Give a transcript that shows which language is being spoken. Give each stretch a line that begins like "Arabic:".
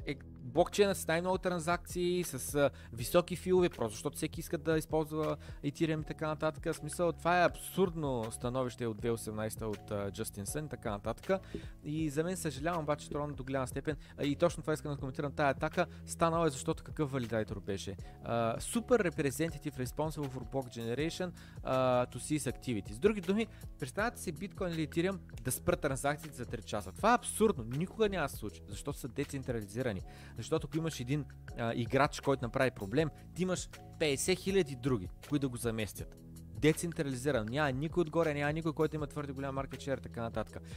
Bulgarian: блокчейна с най-много транзакции, с високи филове, просто защото всеки иска да използва Ethereum и така нататък. В смисъл, това е абсурдно становище от 2018 от Justin Sun и така нататък. И за мен съжалявам обаче Tron до голяма степен. И точно това искам да коментирам. Тая атака станала е защото какъв валидатор беше.
English: Super representative responsible for block generation to cease activity.
Bulgarian: С други думи, представете си Bitcoin или Ethereum да спрат транзакциите за 3 часа. Това е абсурдно. Никога няма се случи, защото са децентрализирани. Защото ако имаш един играч, който направи проблем, ти имаш 50 000 други, които да го заместят. Децентрализиран. Няма никой отгоре, няма никой, който има твърде голям market share, така нататък.